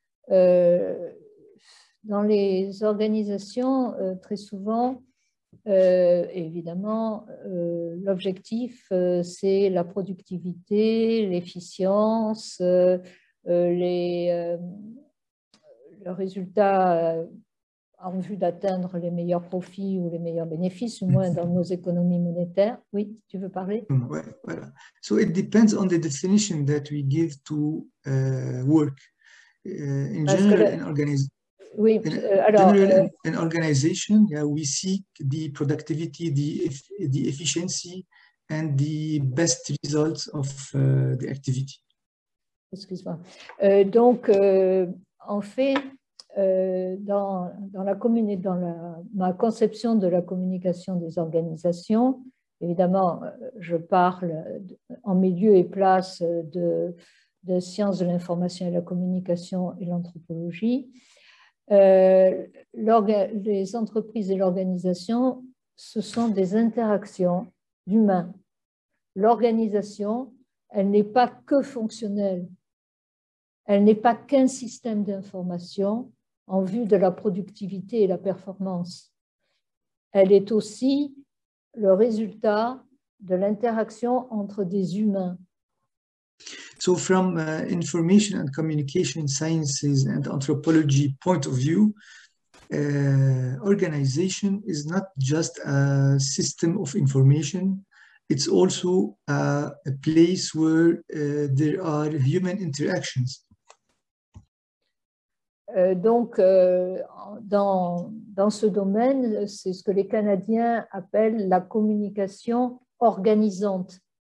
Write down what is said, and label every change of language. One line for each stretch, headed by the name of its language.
French: Dans les organisations, très souvent, évidemment, l'objectif, c'est la productivité, l'efficience, le résultat. En vue d'atteindre les meilleurs profits ou les meilleurs bénéfices, au moins dans nos économies monétaires. Oui, tu veux parler? Oui, voilà.
English: So it depends on the definition that we give to work. In general, in organization. an organization, we seek the productivity, the efficiency, and the best results of the activity.
French: Excuse-moi. Donc, en fait, dans ma conception de la communication des organisations, évidemment, je parle en milieu et place de sciences de l'information et la communication et l'anthropologie. Les entreprises et l'organisation, ce sont des interactions d'humains. L'organisation, elle n'est pas que fonctionnelle. Elle n'est pas qu'un système d'information en vue de la productivité et la performance. Elle est aussi le résultat de l'interaction entre des humains.
English: So from information and communication sciences and anthropology point of view, organization is not just a system of information, it's also a place where there are human interactions.
French: Donc, dans ce domaine, c'est ce que les Canadiens appellent la communication organisante.